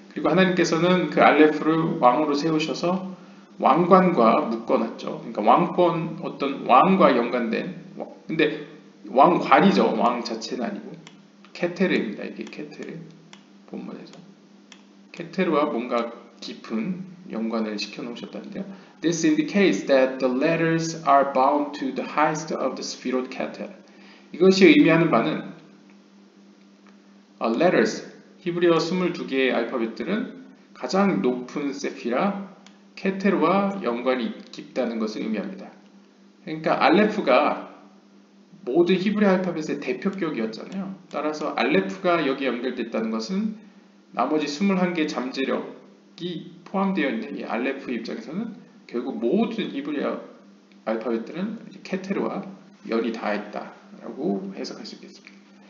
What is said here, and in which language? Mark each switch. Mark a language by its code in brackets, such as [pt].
[ko] 그리고 하나님께서는 그 알레프를 왕으로 세우셔서 왕관과 묶어놨죠. 그러니까 왕권, 어떤 왕과 연관된, 근데 왕관이죠. 왕 자체는 아니고. 케테르입니다. 이게 케테르. 본문에서. 케테르와 뭔가 깊은 연관을 시켜놓으셨다는데요. [en] This indicates that the letters are bound to the highest of the spherot keter. [ko] 이것이 의미하는 바는 letters. 히브리어 22개의 알파벳들은 가장 높은 세피라 케테르와 연관이 깊다는 것을 의미합니다. 그러니까 알레프가 모든 히브리어 알파벳의 대표격이었잖아요. 따라서 알레프가 여기에 연결됐다는 것은 나머지 21개의 잠재력이 포함되어 있는 이 알레프 입장에서는 결국 모든 히브리어 알파벳들은 케테르와 연이 닿아있다라고 해석할 수 있겠습니다.